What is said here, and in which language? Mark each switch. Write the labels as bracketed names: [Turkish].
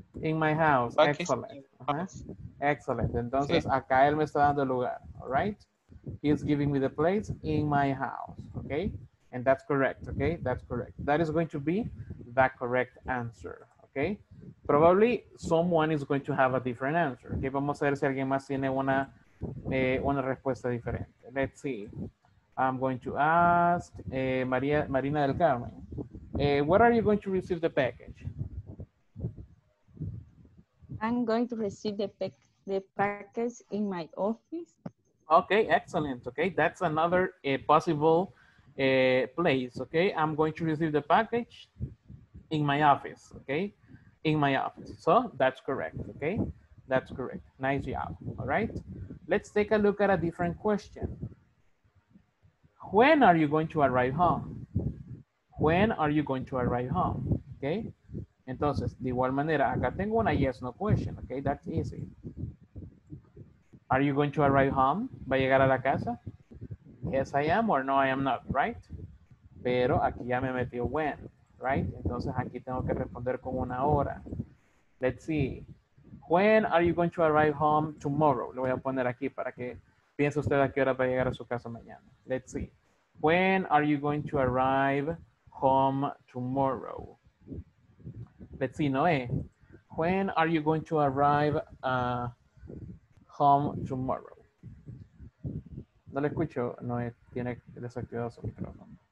[English] In my house. Package. Excellent. Excellent. [Spanish] Entonces, sí. Acá él me está dando el lugar. [English] All right. He's giving me the place in my house. Okay. And that's correct. Okay. That's correct. That is going to be the correct answer. Okay. Probably someone is going to have a different answer. Okay. [Spanish] Vamos a ver si alguien más tiene una respuesta diferente. [English] Let's see. I'm going to ask Marina del Carmen. Where are you going to receive the package? I'm going to receive the package in my office. Okay, excellent. Okay, that's another possible place. Okay, I'm going to receive the package in my office. Okay, in my office. So that's correct. Okay, that's correct. Nice job. All right, let's take a look at a different question. When are you going to arrive home? When are you going to arrive home? Okay. [Spanish] Entonces, de igual manera, acá tengo una [English] yes, no question, okay? That's easy. Are you going to arrive home? [Spanish] ¿Va a llegar a la casa? [English] Yes, I am, or no, I am not, right? [Spanish] Pero aquí ya me metió when, right? Entonces, aquí tengo que responder con una hora. [English] Let's see. When are you going to arrive home tomorrow? [Spanish] Lo voy a poner aquí para que piense usted a qué hora va a llegar a su casa mañana. [English] Let's see. When are you going to arrive home tomorrow? Let's see, Noé. When are you going to arrive home tomorrow? [Spanish] No le escucho, Noé. Tiene desactivado su micrófono.